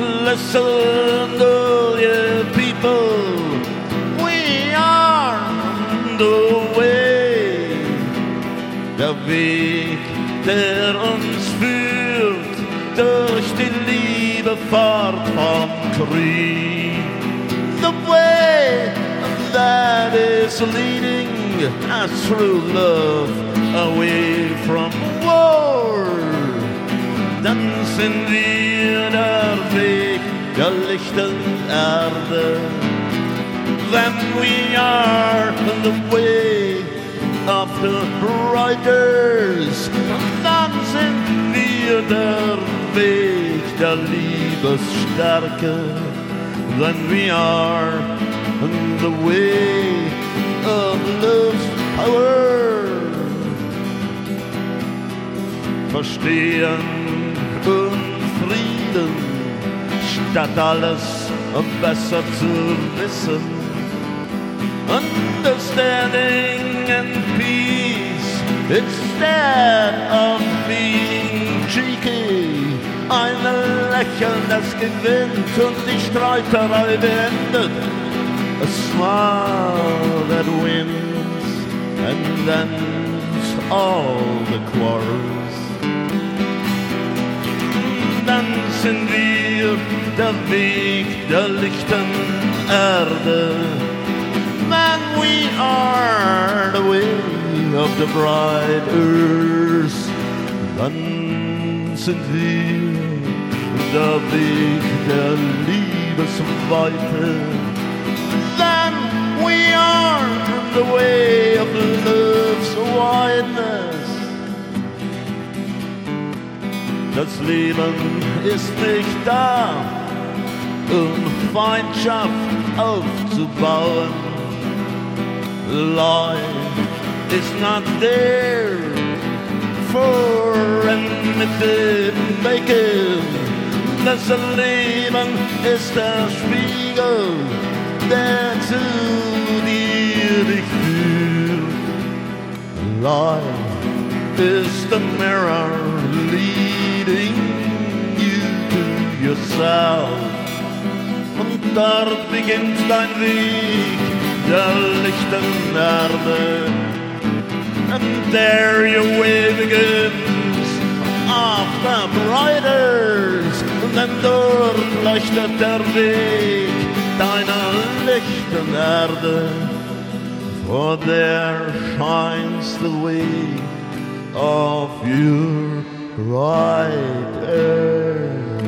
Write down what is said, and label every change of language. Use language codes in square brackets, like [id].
[en] Listen to the people, we are the way. [de] Der Weg, der uns führt durch die Liebe fort vom Krieg. [en] The way that is leading us through love away from war. [de] Dann sind wir der Weg der lichten Erde. [en] Then we are the way of the bright earth. [de] Dann sind wir der Weg der Liebesstärke. [en] Then we are the way of love's power. [de] Verstehen und Frieden, statt alles besser zu wissen. [en] Understanding and peace, instead of being cheeky. [de] Ein Lächeln, das gewinnt und die Streiterei beendet. [en] A smile that wins and ends all the quarrels. [de] Dann sind wir der Weg der lichten Erde. [en] Then we are the way of the bright earth. [de] Dann sind wir der Weg der Liebesweite. [en] Then we are the way of love's wideness. [de] Das Leben ist nicht da, Feindschaft aufzubauen. [en] Life is not there for enmity making. [de] Das Leben ist der Spiegel, der zu dir dich führt. [en] Life is the mirror leading you to yourself. [de] Und dort beginnt dein Weg der lichten Erde. [en] And there your way begins of the bright earth. [de] Und dann dort leuchtet der Weg deiner lichten Erde. [en] For there shines the way of your bright earth.